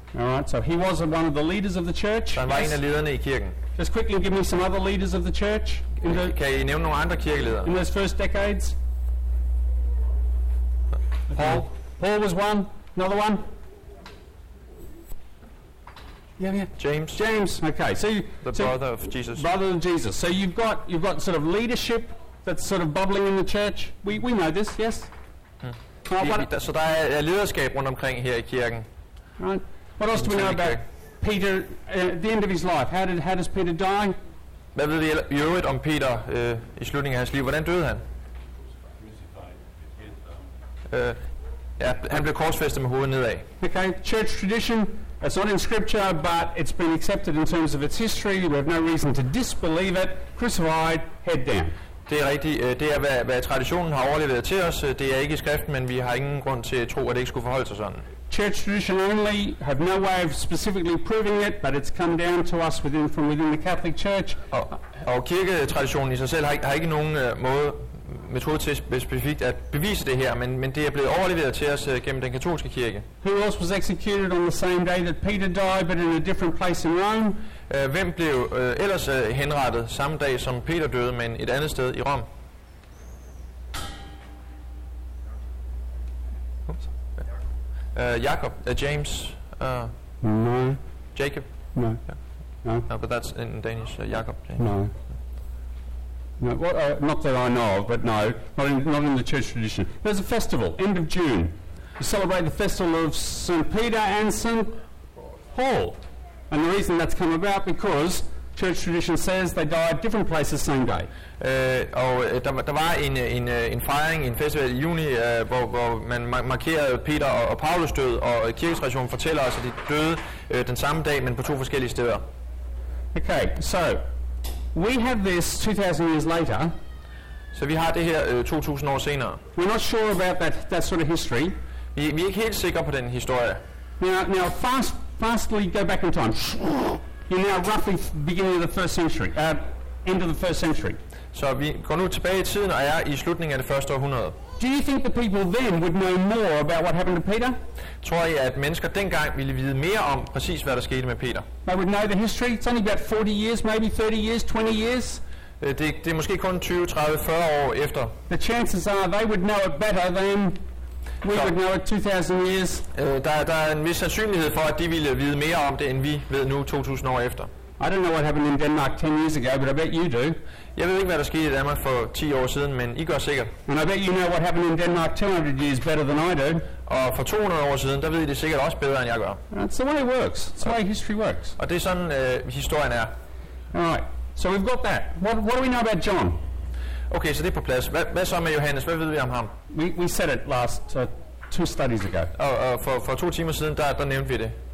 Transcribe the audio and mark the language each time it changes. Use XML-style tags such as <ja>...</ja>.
<en>All right, so he was one of the leaders of the church.</en> <da>Han var en af lederne i kirken.</da> <en>Just quickly give me some other leaders of the church.</en> <da>Kan I nævne nogle andre kirkeledere?</da> <en>In those first decades. Paul. Paul was one. Another one. Yeah. James. Okay. So brother of Jesus. Brother of Jesus. So you've got sort of leadership that's sort of bubbling in the church. We know this, yes. Hmm.</en> <da>Så der er lederskab rundt omkring her i kirken.</da> <en>Right. What else do we know about Peter at the end of his life? How does Peter die?</en> <da>Hvad ved vi i øvrigt om Peter i slutningen af hans liv? Hvordan døde han? Han blev korsfæstet med hovedet nedad.</da> <en>Okay. Church tradition. It's not in scripture, but it's been accepted in terms of its history. We have no reason to disbelieve it. Crucified, head down.</en> <da>Det er rigtigt. Det er hvad traditionen har overleveret til os. Det er ikke i skriften, men vi har ingen grund til at tro, at det ikke skulle forholde sig sådan.</da> <en>Church tradition only, have no way of specifically proving it, but it's come down to us from within the Catholic Church.</en> <da>Og kirketraditionen i sig selv har ikke nogen måde metode til specifikt at bevise det her, men det er blevet overleveret til os gennem den katolske kirke.</da> <en>Who else was executed on the same day that Peter died, but in a different place in Rome?</en> <da>Hvem blev ellers henrettet samme dag som Peter døde, men et andet sted i Rom?</da> <en>Jakob, James, no. Jacob, no. No, but that's in Danish. Jakob, James. No. No, what, not that I know of, but no, not in the church tradition. There's a festival, end of June. You celebrate the festival of St. Peter and St. Paul. And the reason that's come about, because church tradition says they died different places same day.</en> <da>Der var en fejring, en festival i juni, hvor man markerede Peter og Paulus død, og kirketraditionen fortæller os, at de døde den samme dag, men på to forskellige steder.</da> <en>Okay, so we have this 2,000 years later.</en> <da>Så vi har det her 2,000 år senere.</da> <en>We're not sure about that sort of history.</en> <da>Vi er ikke helt sikre på den historie.</da> <en>Now fastly go back in time. You're now roughly beginning of the first century. end of the first century.</en> <da>Så vi går nu tilbage i tiden og er i slutningen af det første århundrede.</da> <en>Do you think the people then would know more about what happened to Peter?</en> <da>Tror I, at mennesker dengang ville vide mere om præcis hvad der skete med Peter?</da> <en>They would know the history. It's only about 40 years, maybe 30 years, 20 years.</en> <da>Det er måske kun 20, 30, 40 år efter.</da> <en>The chances are they would know it better than we would know it 2000 years.</en> <da>Der er en vis sandsynlighed for at de ville vide mere om det end vi ved nu 2000 år efter.</da> <en>I don't know what happened in Denmark 10 years ago, but I bet you do.</en> <da>Jeg ved ikke hvad der skete i Danmark for 10 år siden, men I gør sikkert.</da> <en>And I bet you know what happened in Denmark 200 years better than I do.</en> <da>Og for 200 år siden, der ved I det sikkert også bedre end jeg gør.</da> <en>That's the way it works. That's the way history works.</en> <da>Og det er sådan historien er.</da> <en>Alright. So we've got that. What do we know about John?</en> <da>Okay, så det er på plads. Hvad så med Johannes? Hvad ved vi om ham?</da> <en>We said it last two studies ago.</en> <da>For 2 timer siden, der nævnte vi det.</da>